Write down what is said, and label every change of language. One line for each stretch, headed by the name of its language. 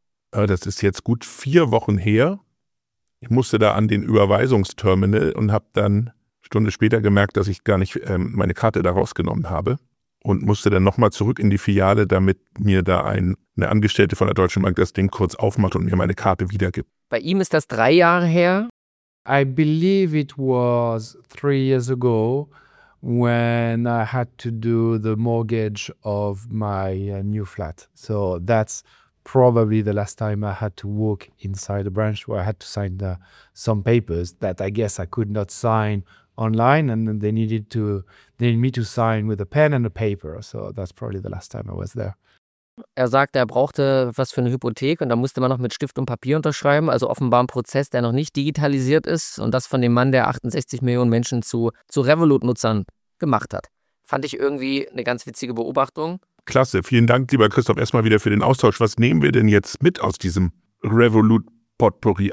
German: Das ist jetzt gut 4 Wochen her. Ich musste da an den Überweisungsterminal und habe dann Stunde später gemerkt, dass ich gar nicht meine Karte da rausgenommen habe und musste dann nochmal zurück in die Filiale, damit mir da eine Angestellte von der Deutschen Bank das Ding kurz aufmacht und mir meine Karte wiedergibt. Bei ihm ist das 3 Jahre her.
English: I believe it was 3 years ago when I had to do the mortgage of my new flat. So that's probably the last time I had to walk inside a branch where I had to sign some papers that I guess I could not sign online, and then they need me to sign with a pen and a paper. So that's probably the last time I was there.
German: Er sagte, er brauchte was für eine Hypothek und da musste man noch mit Stift und Papier unterschreiben. Also offenbar ein Prozess, der noch nicht digitalisiert ist und das von dem Mann, der 68 Millionen Menschen zu Revolut-Nutzern gemacht hat. Fand ich irgendwie eine ganz witzige Beobachtung. Klasse, vielen Dank, lieber Christoph, erstmal wieder für den Austausch. Was nehmen wir denn jetzt mit aus diesem Revolut-Potpourri?